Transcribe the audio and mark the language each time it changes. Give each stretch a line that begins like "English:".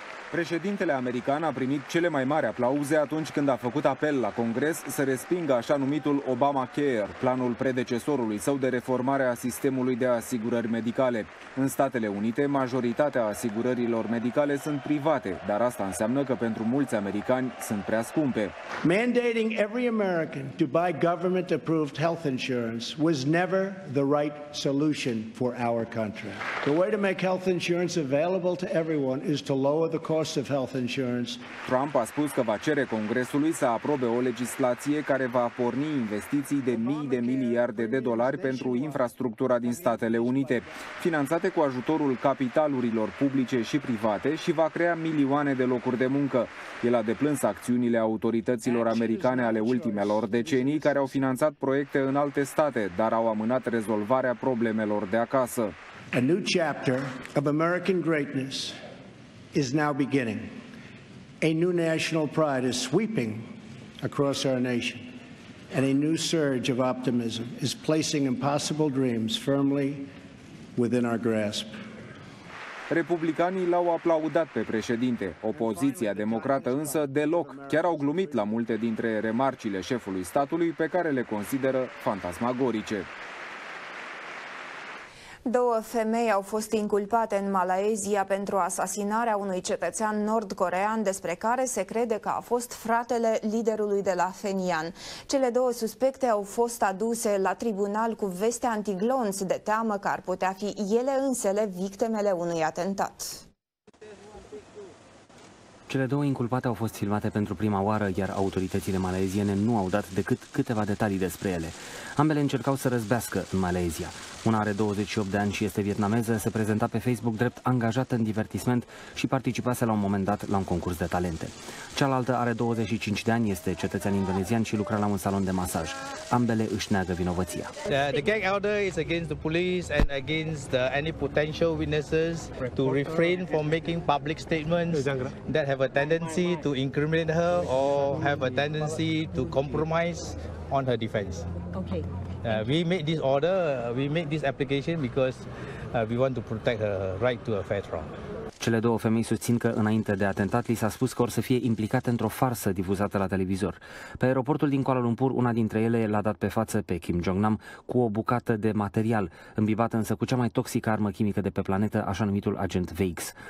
Romanian: Președintele american a primit cele mai mari aplauze atunci când a făcut apel la Congres să respingă așa numitul Obamacare, planul predecesorului său de reformare a sistemului de asigurări medicale. În Statele Unite, majoritatea asigurărilor medicale sunt private, dar asta înseamnă că pentru mulți americani sunt prea scumpe.
English: Mandating every American to buy government-approved health insurance was never the right solution for our country. The way to make health insurance available to everyone is to lower the cost. cost of health insurance.
Romanian: Trump a spus că va cere Congresului să aprobe o legislație care va porni investiții de mii de miliarde de dolari pentru infrastructura din Statele Unite, finanțate cu ajutorul capitalurilor publice și private, și va crea milioane de locuri de muncă. El a deplâns acțiunile autorităților americane ale ultimelor decenii, care au finanțat proiecte în alte state, dar au amânat rezolvarea problemelor de acasă.
English: A new chapter of American greatness is now beginning. A new national pride is sweeping across our nation, and a new surge of optimism is placing impossible dreams firmly within our grasp.
Romanian: Republicanii l-au aplaudat pe președinte. Opoziția democrată însă deloc. Chiar au glumit la multe dintre remarcile șefului statului, pe care le consideră fantasmagorice. Două femei au fost inculpate în Malaezia pentru asasinarea unui cetățean nord-corean despre care se crede că a fost fratele liderului de la Fenian. Cele două suspecte au fost aduse la tribunal cu veste antiglonți de teamă că ar putea fi ele însele victimele unui atentat. Cele două inculpate au fost filmate pentru prima oară, iar autoritățile maleziene nu au dat decât câteva detalii despre ele. Ambele încercau să răzbească în Malaezia. Una are 28 de ani și este vietnameză, se prezenta pe Facebook drept angajată în divertisment și participase la un moment dat la un concurs de talente. Cealaltă are 25 de ani, este cetățean indonezian și lucra la un salon de masaj. Ambele își neagă vinovăția.
English: The gang elder is against the police and against any potential witnesses to refrain from making public statements that have a tendency to incriminate her or have a tendency to compromise on her defense. Okay. We made this order, we made this application because we want to protect her right to a fair trial.
Romanian: Cele două femei susțin că înainte de atentat li s-a spus că or să fie implicate într-o farsă difuzată la televizor. Pe aeroportul din Kuala Lumpur, una dintre ele l-a dat pe față pe Kim Jong-nam cu o bucată de material, îmbibată însă cu cea mai toxică armă chimică de pe planetă, așa numitul agent VX.